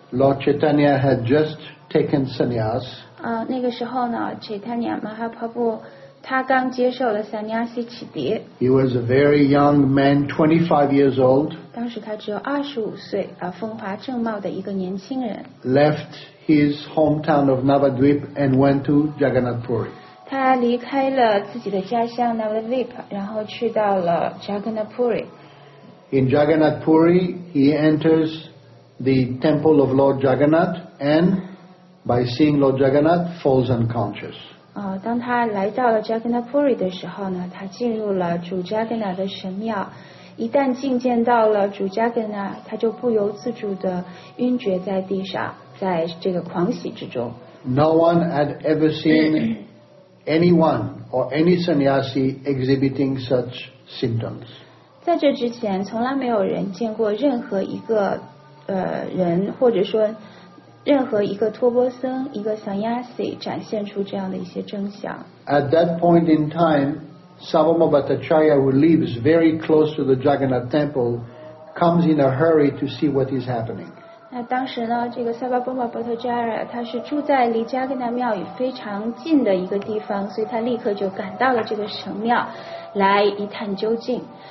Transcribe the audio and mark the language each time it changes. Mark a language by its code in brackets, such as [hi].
[en] Lord Chaitanya had just taken sannyas。 [zh] 那个时候呢 ，Chaitanya Mahaprabhu 他刚接受了 sannyasi 启迪。 [en] He was a very young man, 25 years old。 [zh] 当时他只有25岁，风华正茂的一个年轻人。 [en] Left his hometown of Navadvip and went to Jagannath Puri. [zh] 他离开了自己的家乡 Navadvip， 然后去到了 Jagannath Puri. [en] In Jagannath Puri, he enters the temple of Lord Jagannath and, by seeing Lord Jagannath, falls unconscious. [zh] 当他来到了 Jagannath Puri 的时候呢，他进入了主 Jagannath 的神庙。一旦觐见到了主加根纳，他就不由自主地晕厥在地上，在这个狂喜之中。 [en] No one had ever seen anyone or any sannyasi exhibiting such symptoms. [zh] 在这之前，从来没有人见过任何一个人，或者说任何一个托钵僧、一个 sannyasi 展现出这样的一些征象。 [en] At that point in time. Sarvabhauma Bhattacharya, who lives very close to the Jagannath temple, comes in a hurry to see what is happening. [zh] 那当时呢，这个 Sarvabhauma Bhattacharya 他是住在离 Jagannath 庙宇非常近的一个地方，所以他立刻就赶到了这个神庙来一探究竟。